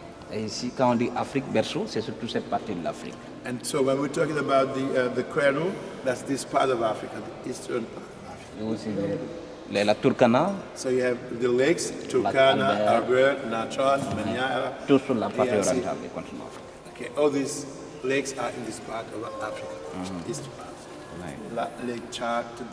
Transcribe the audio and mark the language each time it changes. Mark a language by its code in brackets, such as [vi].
[fr] Et ici, quand on dit Afrique berceau, c'est surtout cette partie de l'Afrique. [en] And so when we're talking about the cradle, that's this part of Africa, the eastern part of Africa. [fr] La Turkana. [en] So you have the lakes, Turkana, Albert, Natron, Maniara. [fr] Tout sur la partie orientale du continent africain. [en] Okay, all these lakes are in this part of Africa, Lake Chad.